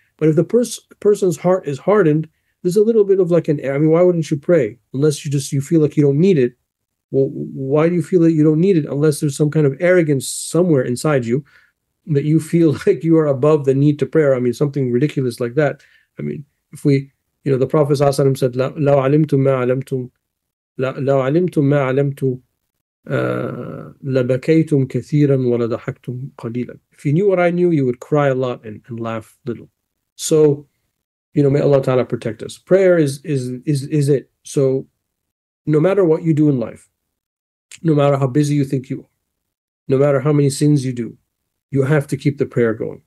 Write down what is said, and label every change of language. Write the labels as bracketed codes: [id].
[en] But if the person's heart is hardened, there's a little bit of like an, I mean, why wouldn't you pray? Unless you feel like you don't need it. Well, why do you feel that you don't need it unless there's some kind of arrogance somewhere inside you that you feel like you are above the need to prayer? I mean, something ridiculous like that. I mean, if we, you know, the Prophet ﷺ said, [ar] لَوْ عَلِمْتُمْ مَا عَلَمْتُمْ لَوْ عَلِمْتُمْ مَا عَلَمْتُمْ لَبَكَيْتُمْ كَثِيرًا وَلَدَحَكْتُمْ قَلِيلًا. [en] If you knew what I knew, you would cry a lot and laugh little. So, you know, may Allah Ta'ala protect us. Prayer is it. So no matter what you do in life, no matter how busy you think you are, no matter how many sins you do, you have to keep the prayer going.